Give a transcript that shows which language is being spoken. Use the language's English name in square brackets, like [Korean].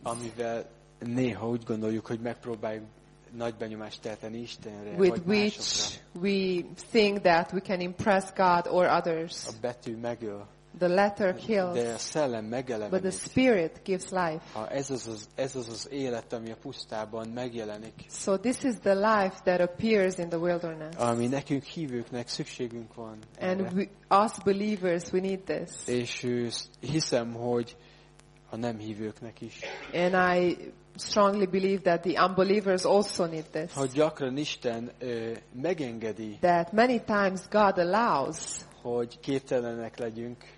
[Hungarian] Amivel néha úgy gondoljuk, hogy megpróbáljuk nagy benyomást tenni Istenre, [English] with which we think that we can impress God or others. [Hungarian] A betű megöl. [English] The letter kills. [Hungarian] De a szellem megelevenít. [English] But the Spirit gives life. [Hungarian] Ez az élet, ami a pusztában megjelenik. [English] So this is the life that appears in the wilderness. [Hungarian] Ami nekünk hívőknek szükségünk van. [English] And we, us believers, we need this. [Hungarian] És hiszem, hogy a nem hívőknek is. [English] And I strongly believe that the unbelievers also need this. [Hungarian] Hogy gyakran Isten megengedi. [English] That many times God allows. [Hungarian] Hogy képtelenek legyünk.